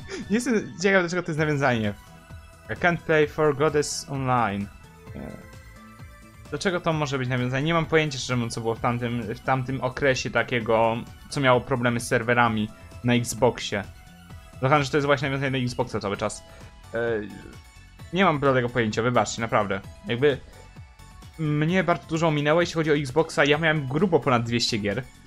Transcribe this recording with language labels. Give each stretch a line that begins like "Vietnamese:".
Polish: Nie jestem ciekaw, dlaczego to jest nawiązanie.
English: I can't play for Goddess Online.
Polish: Dlaczego to może być nawiązanie? Nie mam pojęcia, szczerze mówiąc, co było w tamtym okresie takiego, co miało problemy z serwerami na Xboxie. Zauważam, że to jest właśnie nawiązanie na Xboxa cały czas. Nie mam żadnego pojęcia, wybaczcie, naprawdę. Jakby mnie bardzo dużo minęło, jeśli chodzi o Xboxa, ja miałem grubo ponad 200 gier.